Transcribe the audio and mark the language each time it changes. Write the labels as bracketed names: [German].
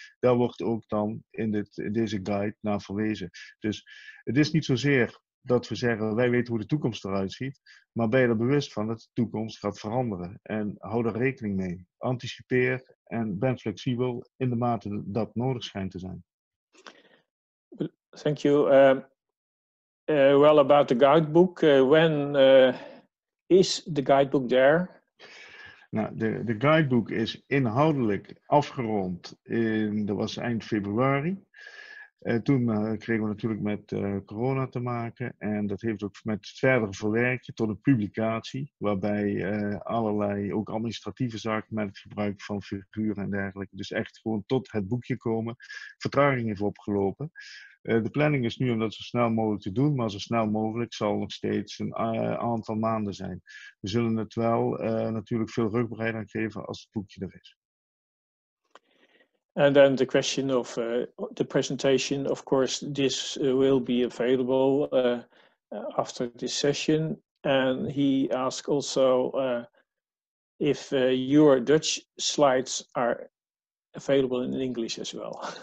[Dutch] Daar wordt ook dan in deze guide naar verwezen. Dus het is niet zozeer dat we zeggen, wij weten hoe de toekomst eruit ziet, maar ben je er bewust van dat de toekomst gaat veranderen? En hou er rekening mee. Anticipeer en ben flexibel in de mate dat nodig schijnt te zijn. [English] Thank you. Well, about the guidebook. When is the guidebook there? [Dutch] Nou, de guidebook is inhoudelijk afgerond. Dat was eind februari. Toen kregen we natuurlijk met corona te maken. En dat heeft ook met het verdere verwerken tot een publicatie. Waarbij allerlei, ook administratieve zaken met het gebruik van figuren en dergelijke. Dus echt gewoon tot het boekje komen. Vertraging heeft opgelopen. De planning is nu om dat zo snel mogelijk te doen. Maar zo snel mogelijk zal nog steeds een aantal maanden zijn. We zullen het wel natuurlijk veel rugbaarheid aan geven als het boekje er is. [English] And then the question of the presentation, of course, this will be available after this session. And he asked also if your Dutch slides are available in English as well.